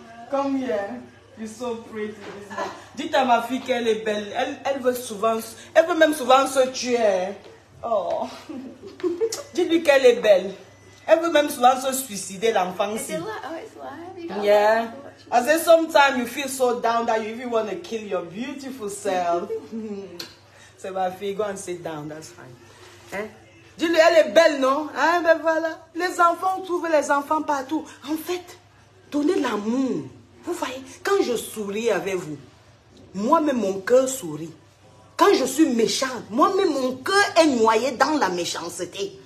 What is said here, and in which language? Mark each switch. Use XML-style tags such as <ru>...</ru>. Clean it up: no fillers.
<en>Come here, you're so pretty.</en> <fr>Dites à ma fille qu'elle est belle. Elle veut même souvent se tuer. Oh, dis-lui qu'elle est belle. Elle veut même souvent se suicider l'enfant.</fr> <en>Is it what? Oh, it's what? Yeah. I say sometimes you feel so down that you even want to kill your beautiful self.</en> <fr>C'est ma fille,</fr> <en>go and sit down, that's fine.</en> <fr>Hein? Dis-lui, elle est belle, non? Hein, ben voilà. Les enfants trouvent les enfants partout. En fait, donnez l'amour. Vous voyez, quand je souris avec vous, moi-même, mon cœur sourit. Quand je suis méchante, moi-même, mon cœur est noyé dans la méchanceté.</fr>